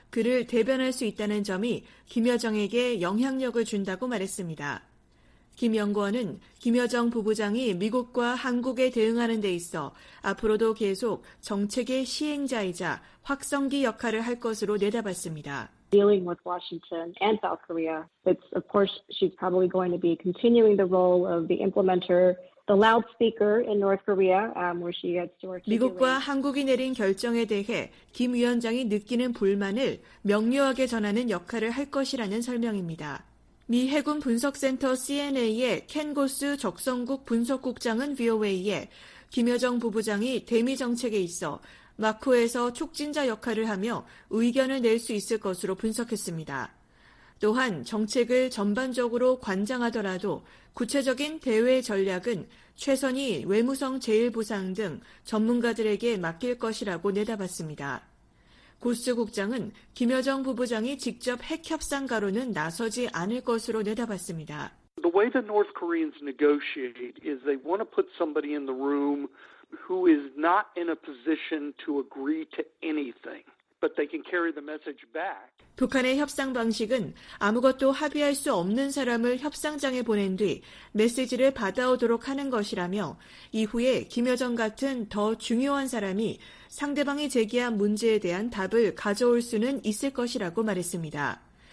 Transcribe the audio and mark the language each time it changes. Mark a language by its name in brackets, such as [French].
[Korean] 그를 대변할 수 있다는 점이 김여정에게 영향력을 준다고 말했습니다. 김 연구원은 김여정 부부장이 미국과 한국에 대응하는 데 있어 앞으로도 계속 정책의 시행자이자 확성기 역할을 할 것으로 내다봤습니다. [English] Dealing with Washington and South Korea, it's of course she's probably going to be continuing the role of the implementer. The loudspeaker in North Korea, where she has to work. [Korean] 미국과 한국이 내린 결정에 대해 김 위원장이 느끼는 불만을 명료하게 전하는 역할을 할 것이라는 설명입니다. 미 해군 분석센터 CNA의 켄 고스 적성국 분석국장은 VOA에 김여정 부부장이 대미 정책에 있어 마크에서 촉진자 역할을 하며 의견을 낼 수 있을 것으로 분석했습니다. 또한 정책을 전반적으로 관장하더라도 구체적인 대외 전략은 최선이 외무성 제1부상 등 전문가들에게 맡길 것이라고 내다봤습니다. 고스 국장은 김여정 부부장이 직접 핵 협상 가로는 나서지 않을 것으로 내다봤습니다. [English] The way the North Koreans negotiate is they want to put somebody in the room who is not in a position to agree to anything. But they can carry the message back. [Korean] 북한의 협상 방식은 아무것도 합의할 수 없는 사람을 협상장에 보낸 뒤 메시지를 받아오도록 하는 것이라며 이후에 김여정 같은 더 중요한 사람이 상대방이 제기한 문제에 대한 답을 가져올 수는 있을 것이라고 말했습니다.